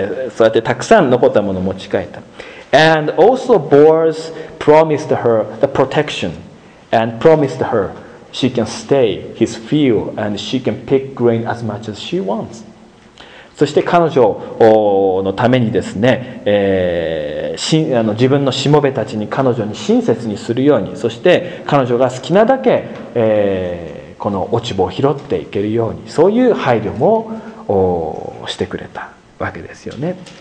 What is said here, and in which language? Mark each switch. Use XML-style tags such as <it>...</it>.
<ja>そうやってたくさん残ったものを持ち帰った。</ja> <en>And also, Boaz promised her the protection, and promised her she can stay his field, and she can pick grain as much as she wants.</en> <ja>そして彼女のためにですね、自分のしもべたちに彼女に親切にするように、そして彼女が好きなだけ、この落ち穂を拾っていけるように、そういう配慮もしてくれたわけですよね。</ja>